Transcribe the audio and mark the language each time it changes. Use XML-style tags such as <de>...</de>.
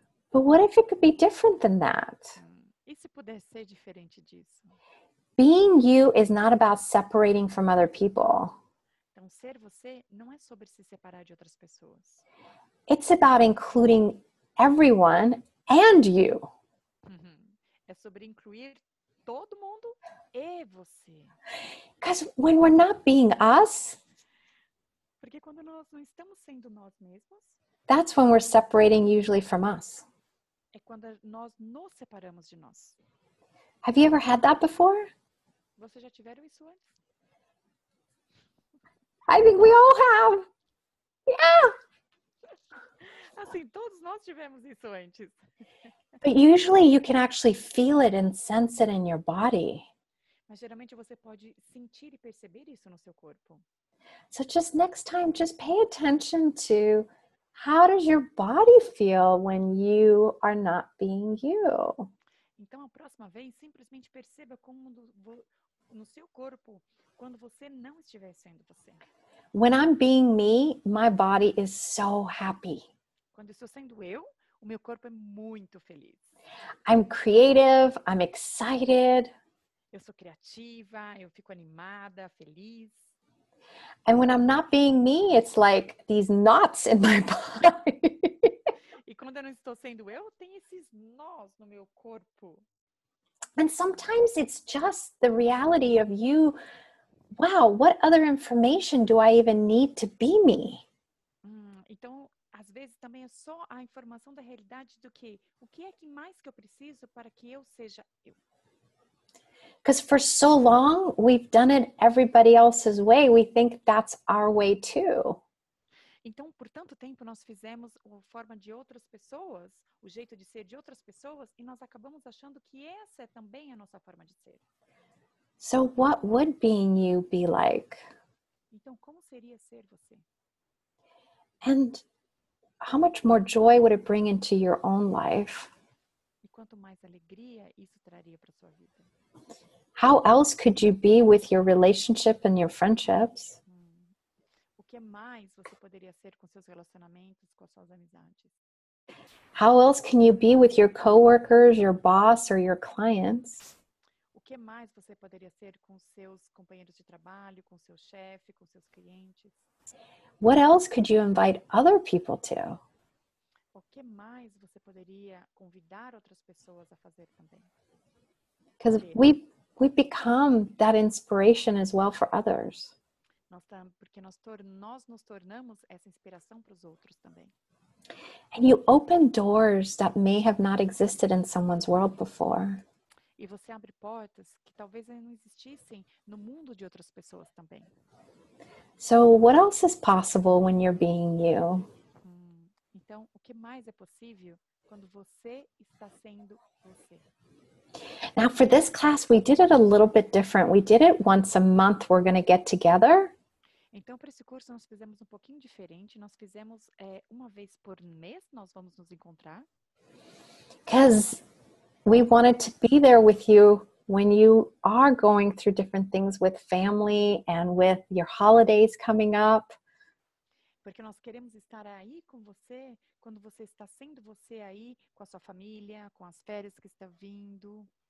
<en>But what if it could be different than that?</en> <pt>E se puder ser diferente disso?</pt> <en>Being you is not about separating from other people.</en> <pt>Então, ser você não é sobre se separar de outras pessoas.</pt> <en>It's about including everyone and you.</en> <pt>É sobre incluir todo mundo e você.</pt> <en>Because when we're not being us,</en> <pt>porque quando nós não estamos sendo nós mesmos,</pt> <en>that's when we're separating usually from us.</en> <pt>É quando nós nos separamos de nós.</pt> <en>Have you ever had that before?</en> <pt>Vocês já tiveram isso antes?</pt> <en>I think we all have. Yeah.</en> <pt>Assim, todos nós tivemos isso antes.</pt> <en>But usually you can actually feel it and sense it in your body.</en> <pt>Mas geralmente você pode sentir e perceber isso no seu corpo.</pt> <en>So just next time, just pay attention to how does your body feel when you are not being you?</en> <pt>Então, a próxima vez, simplesmente perceba como no seu corpo, quando você não estiver sendo você.</pt> <en>When I'm being me, my body is so happy.</en> <pt>Quando estou sendo eu, o meu corpo é muito feliz.</pt> <en>I'm creative, I'm excited.</en> <pt>Eu sou criativa, eu fico animada, feliz.</pt> <en>And when I'm not being me, it's like these knots in my body.</en> <pt>E quando eu não estou sendo eu, tem esses nós no meu corpo.</pt> <en>And sometimes it's just the reality of you, wow, what other information do I even need to be me?</en> <pt>Então, às vezes também é só a informação da realidade do que, o que é que mais que eu preciso para que eu seja eu?</pt> <en>Because for so long, we've done it everybody else's way. We think that's our way too.</en> <pt>Então, por tanto tempo, nós fizemos a forma de outras pessoas, o jeito de ser de outras pessoas, e nós acabamos achando que essa é também a nossa forma de ser.</pt> <en>So what would being you be like?</en> <pt>Então, como seria ser você?</pt> <en>And how much more joy would it bring into your own life?</en> <pt>E quanto mais alegria isso traria para sua vida?</pt> <en>How else could you be with your relationship and your friendships?</en> <pt>O que mais você poderia ser com seus relacionamentos, com suas amizades?</pt> <en>How else can you be with your coworkers, your boss, or your clients?</en> <pt>O que mais você poderia ser com seus companheiros de trabalho, com seu chefe, com seus clientes?</pt> <en>What else could you invite other people to?</en> <pt>O que mais você poderia convidar outras pessoas a fazer também?</pt> <en>Because we become that inspiration as well for others.</en> <pt>Porque nós nos tornamos essa inspiração para os outros também.</pt> <en>And you open doors that may have not existed in someone's world before.</en> <pt>E você abre portas que talvez não existissem no mundo de outras pessoas também.</pt> <en>So what else is possible when you're being you?</en> <pt>Então, o que mais é possível quando você está sendo você?</pt> <en>Now for this class, we did it a little bit different. We did it once a month. We're going to get together.</en> <pt>Então, para esse curso, nós fizemos um pouquinho diferente. Nós fizemos uma vez por mês, nós vamos nos encontrar.</pt> <en>Because we wanted to be there with you when you are going through different things with family and with your holidays coming up.</en> <pt>Porque nós queremos estar aí com você quando você está sendo você aí com a sua família, com as férias que estão vindo.</pt>